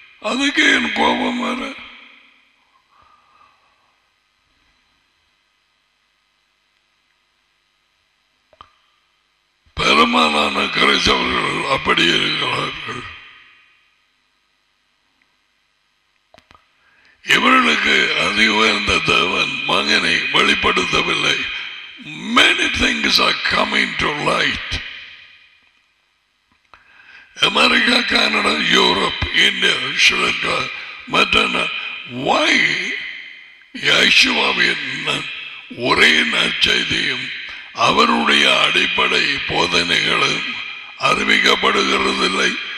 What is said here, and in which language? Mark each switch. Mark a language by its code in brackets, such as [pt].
[ta] அதுக்கு என் கோபம் வர பெருமாளான கிறிஸ்தவர்கள் அப்படி இருக்கிறார்கள். இவர்களுக்கு அதி உயர்ந்த தேவன் மகனை வெளிப்படுத்தவில்லை. [en] Many things are coming to light. [ta] America, Canada, Europe, India, Sri Lanka, மற்ற வாய் யேசுவாவின் ஒரே நற்செய்தியும் அவருடைய அடிப்படை போதனைகளும் அறிவிக்கப்படுகிறதில்லை.